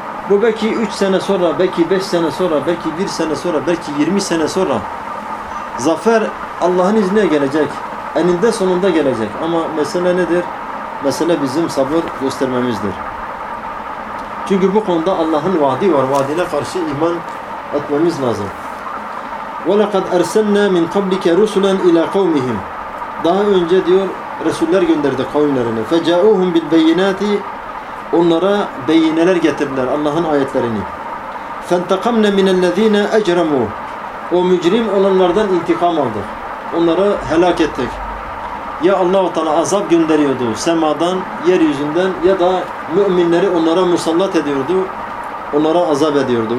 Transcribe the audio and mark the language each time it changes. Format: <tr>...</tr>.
<tr>Bu belki 3 sene sonra, belki 5 sene sonra, belki 1 sene sonra, belki 20 sene sonra zafer Allah'ın izniyle gelecek. Eninde sonunda gelecek. Ama mesele nedir? Mesele bizim sabır göstermemizdir. Çünkü bu konuda Allah'ın vaadi var. Vaadine karşı iman etmemiz lazım.</tr> <ar>وَلَقَدْ اَرْسَلْنَا مِنْ قَبْلِكَ رُسُلًا اِلَى قَوْمِهِمْ</ar> <tr>Daha önce diyor Resuller gönderdi kavimlerine.</tr> <ar>فَجَاءُهُمْ بِالْبَيِّنَاتِ</ar> <tr>Onlara beyineler getirdiler Allah'ın ayetlerini.</tr> <ar>فَانْتَقَمْنَا مِنَ الَّذ۪ينَ اَجْرَمُوا</ar> <tr>O mücrim olanlardan intikam aldı. Onları helak ettik. Ya Allah-u Teala azap gönderiyordu semadan, yeryüzünden ya da müminleri onlara musallat ediyordu, onlara azap ediyordu.</tr>